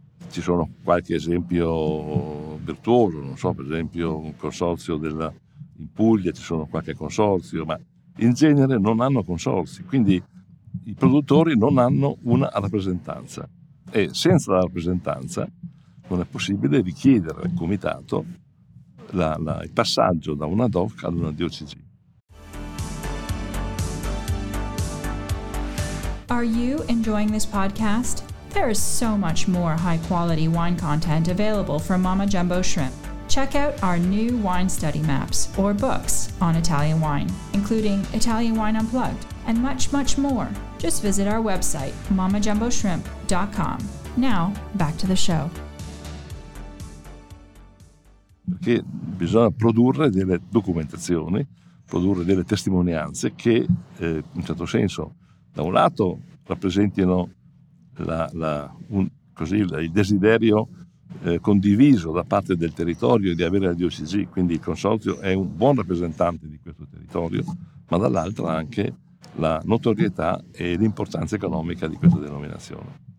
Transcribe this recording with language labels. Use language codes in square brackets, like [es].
[it] Ci sono qualche esempio virtuoso, non so, per esempio un consorzio in Puglia, ci sono qualche consorzio, ma in genere non hanno consorzi, quindi i produttori non hanno una rappresentanza, e senza la rappresentanza non è possibile richiedere al comitato il passaggio da una DOC ad una DOCG. [en] Are you enjoying this podcast? There is so much more high quality wine content available from Mama Jumbo Shrimp. Check out our new wine study maps or books on Italian wine, including Italian Wine Unplugged and much, much more. Just visit our website, mamajumboshrimp.com. Now, back to the show. [it] Perché bisogna produrre delle documentazioni, produrre delle testimonianze che in un certo senso, da un lato, rappresentino il desiderio condiviso da parte del territorio di avere la DOCG, quindi il consorzio è un buon rappresentante di questo territorio, ma dall'altra anche la notorietà e l'importanza economica di questa denominazione.